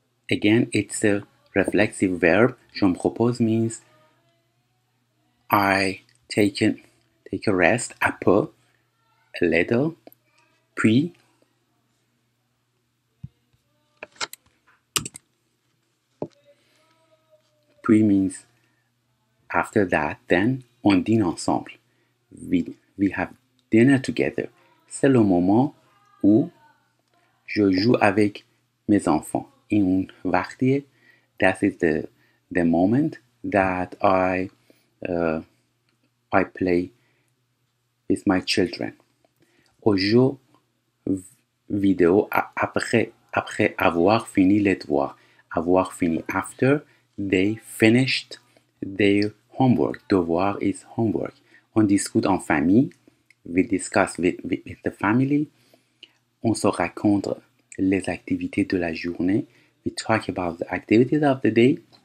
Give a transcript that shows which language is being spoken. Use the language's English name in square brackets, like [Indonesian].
[English] Again, it's a reflexive verb. [French] Je me repose [English] means I take a rest, [French] un peu, [English] a little, puis means after that, then, [French] on dîne ensemble. [English] We have dinner together. [French] C'est le moment où je joue avec mes enfants. [English] In un vardi, that is the moment that I play with my children. [French] Au jeu vidéo après avoir fini les devoirs, avoir fini [English] after they finished their homework. Devoir is homework. [French] On discute en famille. [English] We discuss with the family. [French] On se raconte les activités de la journée. [English] We talk about the activities of the day.